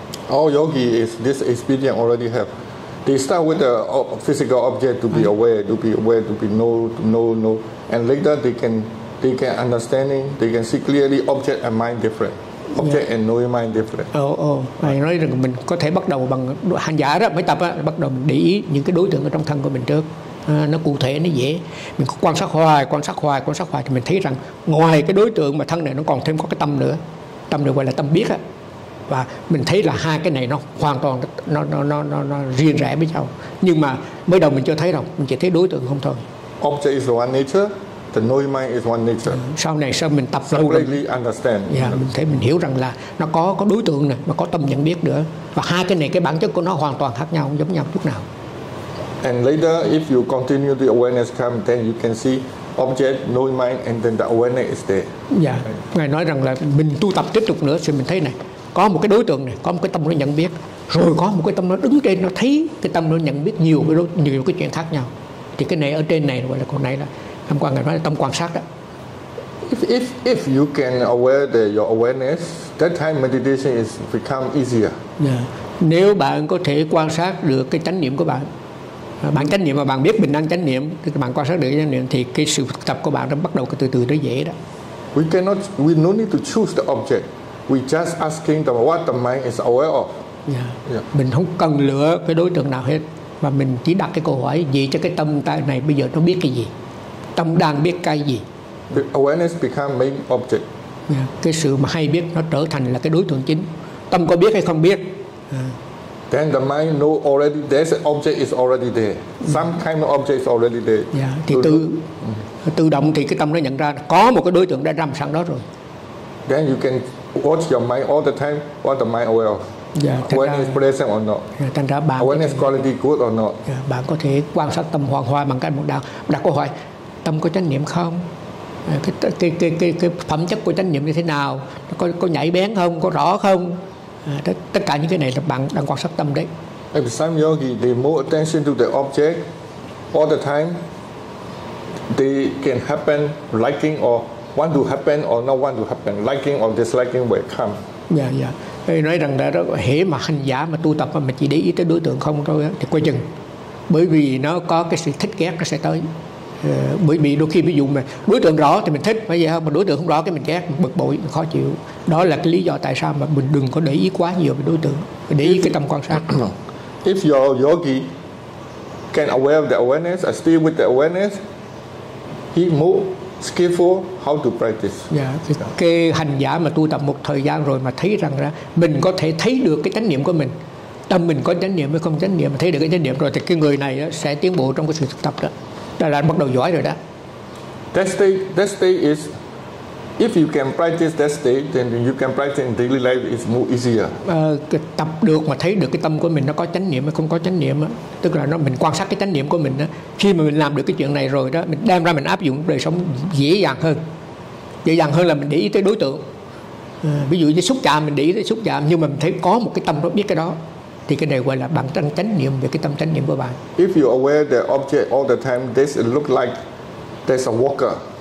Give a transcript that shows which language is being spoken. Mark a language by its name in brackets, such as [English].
[English] All yogi is this experience already have. They start with the physical object to be aware, to be aware, to be know, and later they can they get understanding, they can see clearly object and mind different. Object and knowing mind different. [Vietnamese] Thầy nói rằng mình có thể bắt đầu bằng hành giả đó, mới tập á, bắt đầu để ý những cái đối tượng ở trong thân của mình trước. Nó cụ thể, nó dễ. Mình có quan sát hoài thì mình thấy rằng ngoài cái đối tượng mà thân này, nó còn thêm có cái tâm nữa. Tâm được gọi là tâm biết á. Và mình thấy là hai cái này nó hoàn toàn nó riêng rẽ với nhau. Nhưng mà mới đầu mình chưa thấy đâu, mình chỉ thấy đối tượng không thôi. [English] Object is one nature, the knowing mind is one nature. [Vietnamese] Sau này mình tập lâu rồi, [English] really understand. [Vietnamese] Mình thấy mình hiểu rằng là nó có đối tượng này, mà có tâm nhận biết nữa. Và hai cái này, cái bản chất của nó hoàn toàn khác nhau, không giống nhau chút nào. [English] And later, if you continue the awareness come, then you can see object, knowing mind, and then the awareness is there. [Vietnamese] Ngài nói rằng là mình tu tập tiếp tục nữa, thì mình thấy này, có một cái đối tượng này, có một cái tâm nó nhận biết, rồi có một cái tâm nó đứng trên, nó thấy cái tâm nó nhận biết nhiều cái chuyện khác nhau. Thì cái này ở trên này gọi là con này là tâm quan, ngài nói là tâm quan sát đó. [English] If you can aware that your awareness, that time meditation is become easier. [Vietnamese] Nếu bạn có thể quan sát được cái chánh niệm của bạn, bạn chánh niệm mà bạn biết mình đang chánh niệm, thì bạn quan sát được chánh niệm, thì cái sự tập của bạn nó bắt đầu từ từ nó dễ đó. [English] We no need to choose the object. We just asking them what the mind is aware of. [Vietnamese] Mình không cần lựa cái đối tượng nào hết, mà mình chỉ đặt cái câu hỏi gì cho cái tâm tại này bây giờ nó biết cái gì, tâm đang biết cái gì. [English] The awareness become main object. [Vietnamese] Cái sự mà hay biết nó trở thành là cái đối tượng chính. Tâm có biết hay không biết. [English] Then the mind know already there's an object is already there. Some kind of object is already there. [Vietnamese] Thì tự tự động thì cái tâm nó nhận ra có một cái đối tượng đã nằm sẵn đó rồi. [English] Then you can watch your mind all the time, what the mind aware of. Awareness present or not. [Vietnamese] Thành ra bạn [English] awareness thể, quality good or not. [Vietnamese] Bạn có thể quan sát tâm hoàn hoa bằng cách một đạo đặt câu hỏi, tâm có chánh niệm không? Cái phẩm chất của chánh niệm như thế nào? Có nhảy bén không? Có rõ không? Tất cả những cái này là bạn đang quan sát tâm đấy. [English] If some yogi they more attention to the object all the time, they can happen liking or want to happen or not want to happen, liking or disliking will come. [Vietnamese] Thầy nói rằng đó, hễ mà hành giả mà tu tập mà chỉ để ý tới đối tượng không thôi thì coi chừng, bởi vì nó có cái sự thích ghét nó sẽ tới. Bởi vì đôi khi ví dụ mà đối tượng rõ thì mình thích, bởi vậy không, mà đối tượng không rõ cái mình ghét, bực bội, khó chịu. Đó là cái lý do tại sao mà mình đừng có để ý quá nhiều về đối tượng, để ý cái tâm quan sát. [English] If your yogi can aware of the awareness, I stay with the awareness, he move skillful how to practice. [Vietnamese] Cái hành giả mà tu tập một thời gian rồi mà thấy rằng là mình có thể thấy được cái chánh niệm của mình, tâm mình có chánh niệm hay không chánh niệm, mà thấy được cái chánh niệm rồi thì cái người này sẽ tiến bộ trong cái sự thực tập đó. Đó là bắt đầu giỏi rồi đó. [English] That state is if you can practice that state, then you can practice in daily life is more easier. [Vietnamese] Tập được mà thấy được cái tâm của mình nó có chánh niệm hay không có chánh niệm, tức là nó mình quan sát cái chánh niệm của mình đó. Khi mà mình làm được cái chuyện này rồi đó, mình đem ra mình áp dụng đời sống dễ dàng hơn là mình để ý tới đối tượng. Ví dụ như xúc chạm, mình để ý tới xúc chạm, nhưng mà mình thấy có một cái tâm nó biết cái đó, thì cái này gọi là bằng tâm chánh niệm, về cái tâm chánh niệm của bạn. [English] If you aware the object all the time, this look like there's a walker.